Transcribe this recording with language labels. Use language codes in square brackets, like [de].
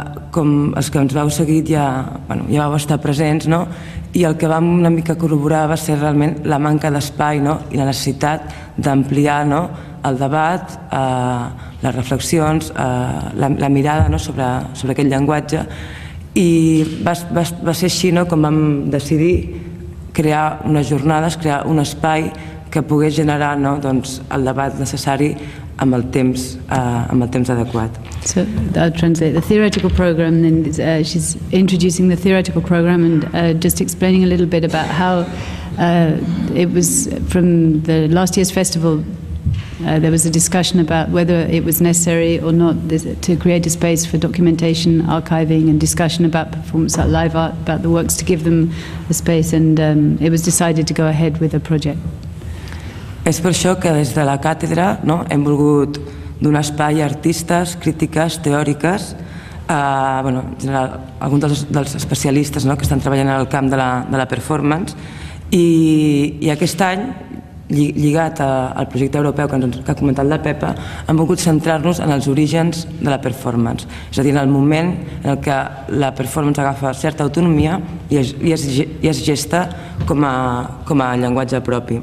[ca] Com els que ens vau seguir ja, bueno, ja vau estar presents, no?, i el que vam una mica corroborar va ser realment la manca d'espai, no?, i la necessitat d'ampliar, no?, el debat, les reflexions, la mirada, no?, sobre aquest llenguatge. I va ser així, no?, com vam decidir crear unes jornades, crear un espai que pogués generar, no?, doncs, el debat necessari amb el temps, amb el temps adequat. [en] So I'll translate the theoretical program, then she's introducing the theoretical program and just explaining a little bit about how it was from the last year's festival. There was a discussion about whether it was necessary or not to create a space for documentation, archiving and discussion about performance art, live art, about the works, to give them a space, and it was decided to go ahead with a project. [ca] És per això que des de la càtedra, no, hem volgut d'un espai a artistes, crítiques, teòriques, bueno, en general, alguns dels especialistes, no?, que estan treballant en el camp de la performance. I aquest any, lligat al projecte europeu que ha comentat la Pepa, hem volgut centrar-nos en els orígens de la performance, és a dir, en el moment en el que la performance agafa certa autonomia i es gesta com a llenguatge propi.